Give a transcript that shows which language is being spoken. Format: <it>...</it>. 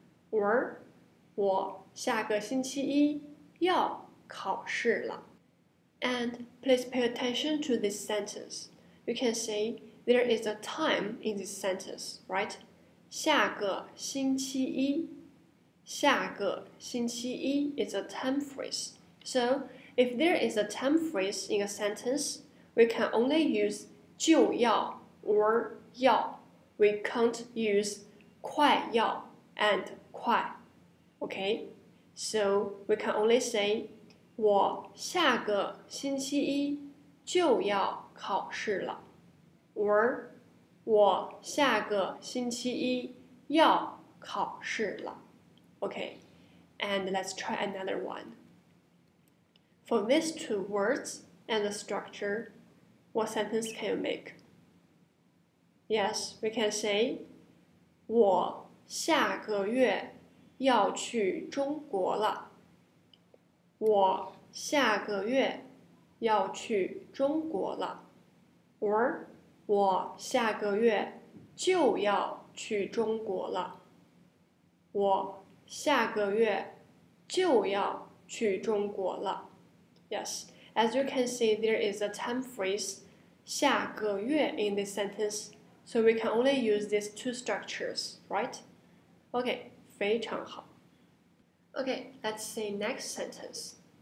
<zh>Or, 我下个星期一要考试了。</zh> <en>And please pay attention to this sentence. You can say there is a time in this sentence, right?</en> <zh>下个星期一，下个星期一</zh> <en>is a time phrase. So if there is a time phrase in a sentence, we can only use 就要 or 要。 We can't use 快要 and 快。Okay? So we can only say</en> <zh>我下个星期一就要考试了。 Or 我下个星期一要考试了。</zh> <en>Okay, and let's try another one. For these two words and the structure, what sentence can you make? Yes, we can say</en> <zh>我下个月要去中国了。我下个月要去中国了。 Or 我下个月就要去中国了。我下个月就要去中国了。</zh> <en>Yes, as you can see, there is a time phrase 下个月 in this sentence, so we can only use these two structures, right? Okay,</en> <zh>非常好。</zh> <en>Okay, let's say next sentence.</en>